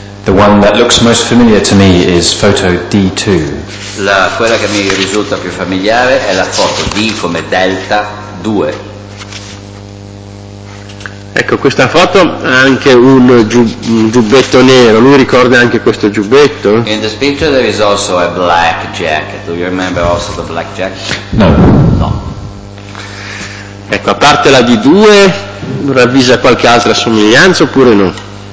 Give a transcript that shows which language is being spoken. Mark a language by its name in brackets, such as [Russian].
[English] One that looks most familiar to me is photo D2. [Italian] La quella che mi risulta più familiare è la foto D come delta 2. Ecco, questa foto ha anche un giubbetto nero. Lui ricorda anche questo giubbetto? [English] In this picture there is also a black jacket. Do you remember also the black jacket? No. [Italian] No. Ecco, a parte la D2, ravvisa qualche altra somiglianza oppure no?